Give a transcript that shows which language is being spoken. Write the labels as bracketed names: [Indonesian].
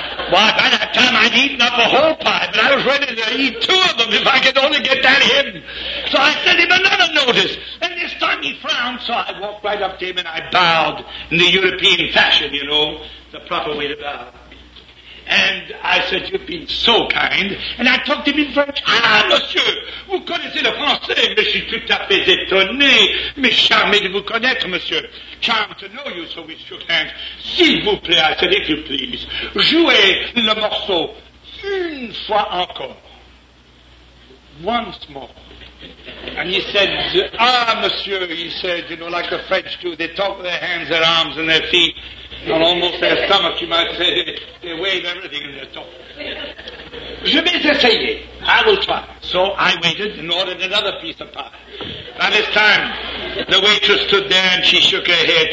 [English] Why, by that time, I'd eaten up a whole pie, but I was ready to eat two of them if I could only get that hidden. So I sent him another notice, and this time he frowned, so I walked right up to him, and I bowed in the European fashion, you know, the proper way to bow. And I said, "You've been so kind." And I talked to him in French. [French] "Ah, monsieur, vous connaissez le français, mais je suis tout à fait étonné, mais charmé de vous connaître, monsieur. [English] Charmed to know you," so we shook hands. [French] "S'il vous plaît," [English] I said, "if you please, [French] jouez le morceau une fois encore." [English] Once more. And he said, [French] "Ah, monsieur," [English] he said, you know, like the French do, they talk with their hands, their arms, and their feet, and almost their stomach, you might say. They wave everything in their talk. [French] "Je vais essayer. [English] I will try." So I waited and ordered another piece of pie. By this time, the waitress stood there and she shook her head.